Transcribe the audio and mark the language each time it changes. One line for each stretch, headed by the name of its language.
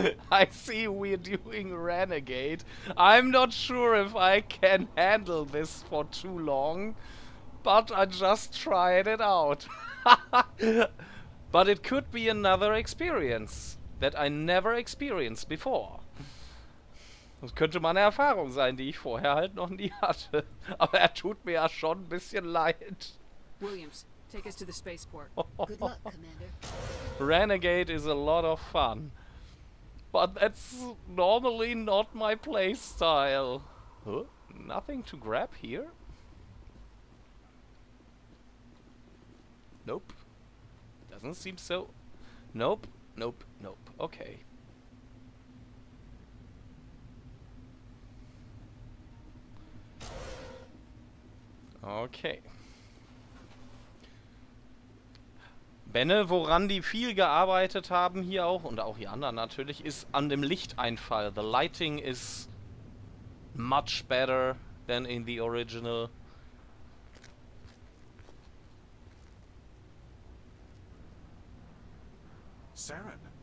English: I see we're doing Renegade. I'm not sure if I can handle this for too long, but I just tried it out. But it could be another experience that I never experienced before.
German: Das könnte mal eine Erfahrung sein, die ich vorher halt noch nie hatte. Aber er tut mir ja schon ein bisschen leid.
English: Williams, take us to the spaceport. Good luck, Commander. Renegade is a lot of fun. But that's normally not my playstyle. Huh? Nothing to grab here? Nope. Doesn't seem so. Nope, nope, nope. Okay. Okay.
German: Benne, woran die viel gearbeitet haben hier auch, und auch die anderen natürlich, ist an dem Lichteinfall.
English: The lighting is much better than in the original. Saren.